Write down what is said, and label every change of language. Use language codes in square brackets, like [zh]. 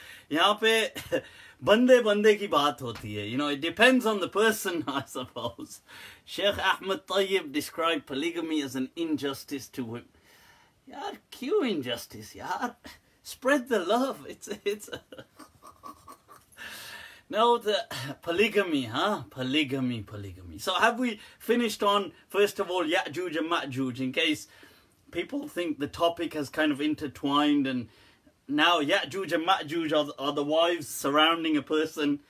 [hi] यहाँ पे बंदे बंदे की बात होती है। [en] You know, it depends on the person, I suppose. Sheikh Ahmed Tayyib described polygamy as an injustice to women. [hi] यार, क्यूँ injustice, यार? [en] Spread the love. It's a... No, the polygamy, huh? Polygamy. So have we finished on, first of all, Ya'juj and Ma'juj, in case people think the topic has kind of intertwined and now Ya'juj and Ma'juj are the wives surrounding a person.